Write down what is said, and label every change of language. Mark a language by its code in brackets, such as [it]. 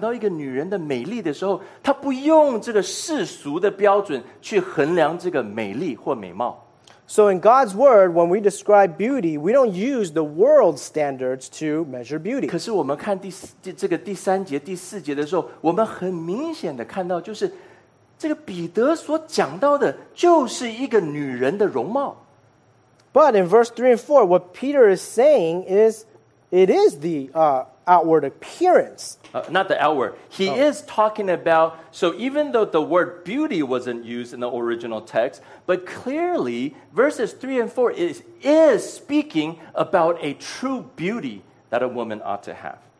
[zh] 所以神的话在跟我们讲到一个女人的美丽的时候, 他不用这个世俗的标准去衡量这个美丽或美貌。 [en] So in God's word, when we describe beauty, we don't use the world standards to measure beauty. [zh] 可是我们看这个第三节、第四节的时候, 我们很明显的看到就是这个彼得所讲到的就是一个女人的容貌。 [en] But in verse 3 and 4, what Peter is saying is, it is the outward appearance. Is talking about, so even though the word beauty wasn't used in the original text, but clearly, verses 3 and 4 is speaking about a true beauty that a woman ought to have.